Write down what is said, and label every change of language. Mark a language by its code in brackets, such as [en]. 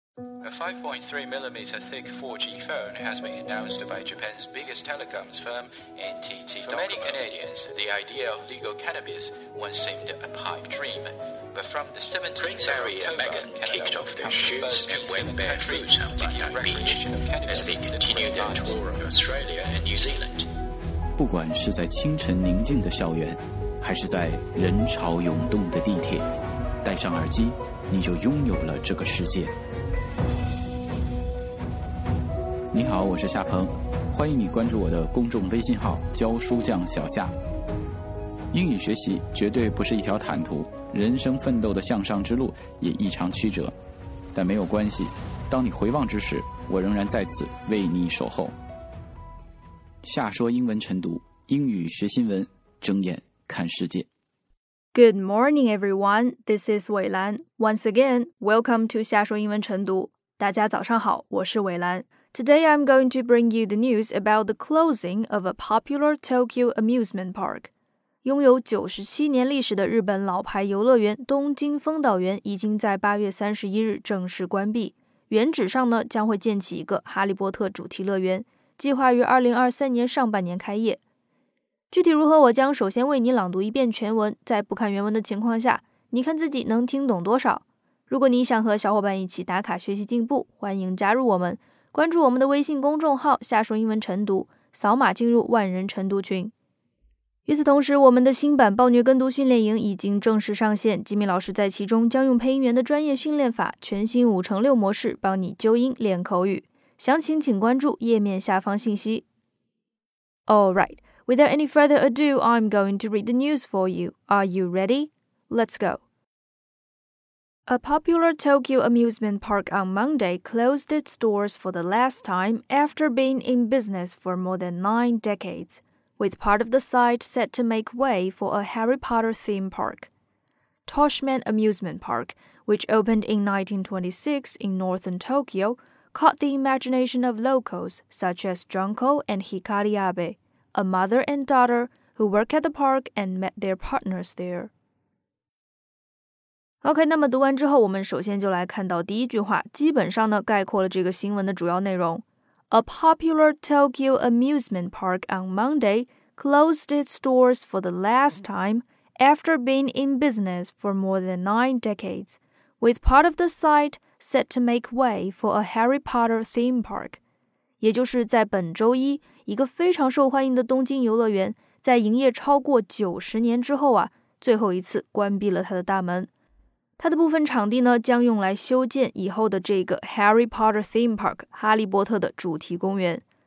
[en] A 5.3mm thick 4G phone has been announced by Japan's biggest telecoms firm, NTT Docomo. For many Canadians, the idea of legal cannabis once seemed a pipe dream. But from the 17th of October, Megan kicked off their shoes and went barefoot on the beach as they continued their tour of Australia and New Zealand. [zh] 不管是在清晨宁静的校园，还是在人潮涌动的地铁，戴上耳机，你就拥有了这个世界。你好，我是夏鹏，欢迎你关注我的公众微信号“教书匠小夏”。英语学习绝对不是一条坦途，人生奋斗的向上之路也异常曲折，但没有关系，当你回望之时，我仍然在此为你守候。夏说英文晨读，英语学新闻，睁眼看世界。 [en] Good morning, everyone. This is 伟兰。 Once again, welcome to 夏说英文晨读。 [zh] 大家早上好，我是伟兰。 [en] Today, I'm going to bring you the news about the closing of a popular Tokyo amusement park. [zh] 拥有97年历史的日本老牌游乐园东京丰岛园已经在8月31日正式关闭。原址上呢，将会建起一个哈利波特主题乐园，计划于2023年上半年开业。具体如何，我将首先为你朗读一遍全文，在不看原文的情况下，你看自己能听懂多少。如果你想和小伙伴一起打卡学习进步，欢迎加入我们，关注我们的微信公众号夏说英文晨读，扫码进入万人晨读群。与此同时，我们的新版暴虐跟读训练营已经正式上线，吉米老师在其中将用配音员的专业训练法，全新5x6模式帮你纠音练口语，详情请关注页面下方信息。 [en] Alright, without any further ado, I'm going to read the news for you. Are you ready? Let's go. A popular Tokyo amusement park on Monday closed its doors for the last time after being in business for more than 9 decades, with part of the site set to make way for a Harry Potter theme park. Toshman Amusement Park, which opened in 1926 in northern Tokyo,caught the imagination of locals such as Junko and Hikari Abe, a mother and daughter who work at the park and met their partners there. [zh] OK, 那么读完之后，我们首先就来看到第一句话，基本上呢概括了这个新闻的主要内容。 [en] A popular Tokyo amusement park on Monday closed its doors for the last time after being in business for more than 9 decades, with part of the site set to make way for a Harry Potter theme park. [zh] 也就是在本周一，一个非常受欢迎的东京游乐园在营业超过90年之后啊，最后一次关闭了它的大门。它的部分场地呢，将用来修建以后的这个 [en] Harry Potter theme park [zh] 哈利波特的主题公园。